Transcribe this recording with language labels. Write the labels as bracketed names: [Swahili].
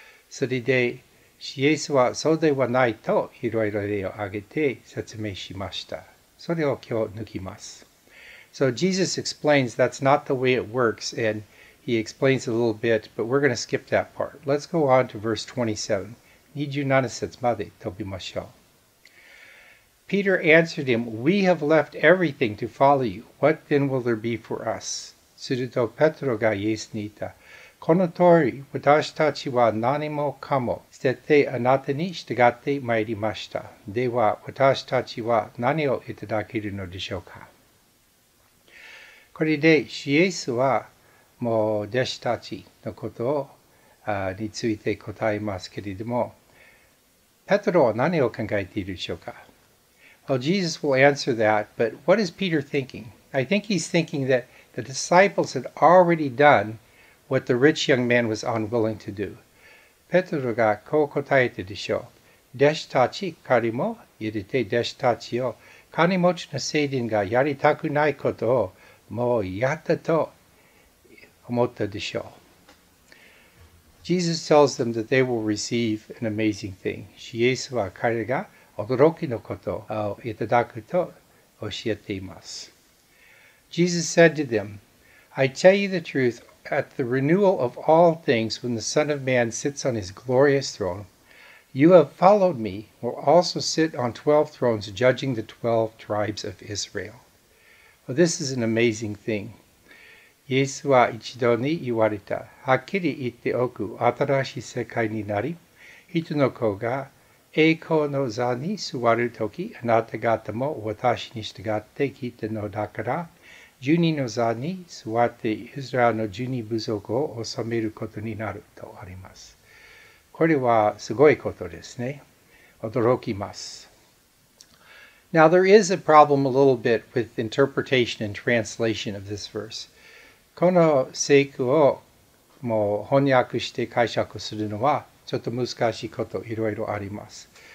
[Japanese] それで、イエスはそうではないといろいろ例を挙げて説明しました。それを今日抜きます。 [English] So Jesus explains that's not the way it works, and he explains a little bit, but we're going to skip that part. Let's go on to verse 27. [Japanese] 27節まで飛びましょう。 [English] Peter answered him, We have left everything to follow you. What then will there be for us? [Japanese] するとペトロがイエスに言った。この通り、私たちは何もかも捨ててあなたに従ってまいりました。では、私たちは何をいただけるのでしょうか。これでイエスはもう弟子たちのことについて答えますけれども、ペトロは何を考えているでしょうか。 [English] Well, Jesus will answer that, but what is Peter thinking? I think he's thinking that the disciples had already done what the rich young man was unwilling to do. [Japanese] ペトロがこう答えたでしょう。弟子たち、彼も入れて弟子たちを、金持ちの聖人がやりたくないことをもうやったと思ったでしょう。 [English] Jesus tells them that they will receive an amazing thing. [Japanese] イエスは彼が驚きのことをいただくと教えています。 [English] Jesus said to them, I tell you the truth, at the renewal of all things, when the Son of Man sits on his glorious throne, you have followed me, will also sit on 12 thrones, judging the 12 tribes of Israel. Well, this is an amazing thing. [Japanese] イエスは一度に言われた。はっきり言っておく、新しい世界になり、人の子が栄光の座に座るとき、あなた方も私に従ってきたのだから、十二の座に座ってイスラエルの十二部族を治めることになるとあります。これはすごいことですね。驚きます。 [English] Now there is a problem a little bit with interpretation and translation of this verse. [Japanese] この聖句をもう翻訳して解釈するのはちょっと難しいこといろいろあります。